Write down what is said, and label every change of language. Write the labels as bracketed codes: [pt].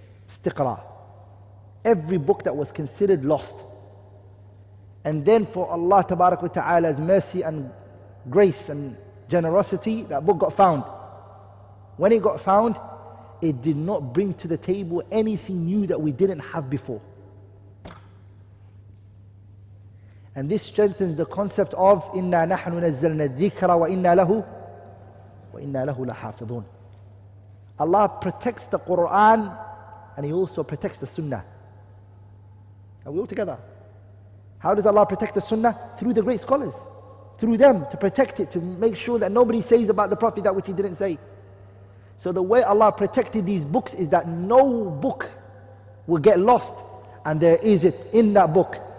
[en] Istiqra. Every book that was considered lost and then for Allah tabarak wa ta'ala's mercy and grace and generosity, that book got found. When it got found, it did not bring to the table anything new that we didn't have before. And this strengthens the concept of [ar] إِنَّا نَحْنُ نَزَّلْنَا الذِّكْرَ وَإِنَّا لَهُ لَحَافِظُونَ. [en] Allah protects the Qur'an and He also protects the Sunnah. Are we all together? How does Allah protect the Sunnah? Through the great scholars. Through them, to protect it, to make sure that nobody says about the Prophet that which he didn't say. So the way Allah protected these books is that no book will get lost and there is it in that book.